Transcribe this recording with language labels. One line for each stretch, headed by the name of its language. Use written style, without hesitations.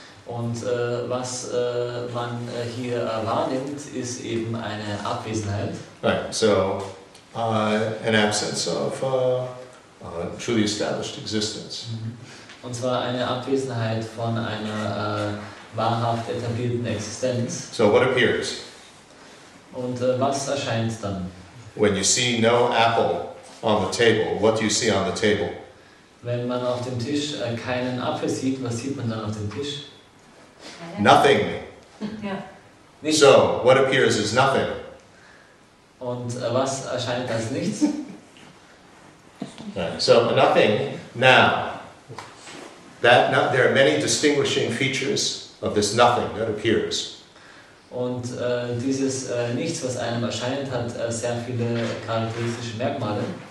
German: Und was man hier wahrnimmt, ist eben eine Abwesenheit.
English: Right, so an absence of truly established existence.
German: Und zwar eine Abwesenheit von einer wahrhaft etablierten Existenz.
English: So what appears?
German: Und was erscheint dann?
English: When you see no apple on the table, what do you see on the table?
German: Wenn man auf dem Tisch keinen Apfel sieht, was sieht man dann auf dem Tisch?
English: Nothing. Yeah. So what appears is nothing.
German: Und was erscheint als nichts?
English: Right. So nothing. Now, that not, there are many distinguishing features of this nothing that appears.
German: Und dieses nichts, was einem erscheint, hat sehr viele charakteristische Merkmale.